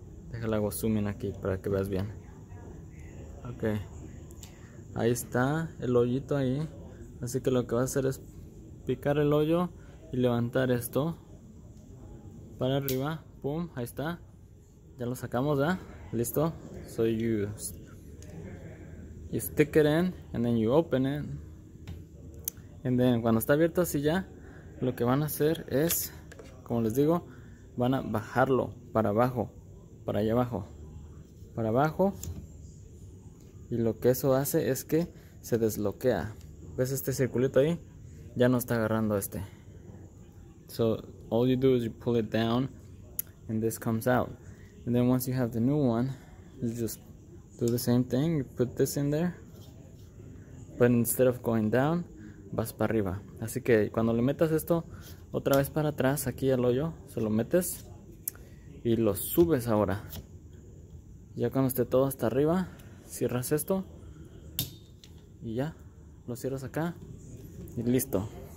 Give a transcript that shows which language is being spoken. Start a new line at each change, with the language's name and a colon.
Spanish: Déjale hago zoom in aquí para que veas bien. Ok. Ahí está el hoyito ahí. Así que lo que va a hacer es picar el hoyo y levantar esto para arriba. Pum, ahí está. Ya lo sacamos, ¿ya? Listo.
English: So you stick it in and then you open it.
Spanish: Y cuando está abierto así ya, lo que van a hacer es, como les digo, van a bajarlo para abajo, para allá abajo, para abajo. Y lo que eso hace es que se desbloquea. ¿Ves este circulito ahí? Ya no está agarrando este.
English: So, all you do is you pull it down and this comes out. And then once you have the new one, you just do the same thing, you put this in there. But instead of going down,
Spanish: vas para arriba. Así que cuando le metas esto otra vez para atrás, aquí al hoyo, se lo metes y lo subes ahora. Ya cuando esté todo hasta arriba, cierras esto y ya, lo cierras acá y listo.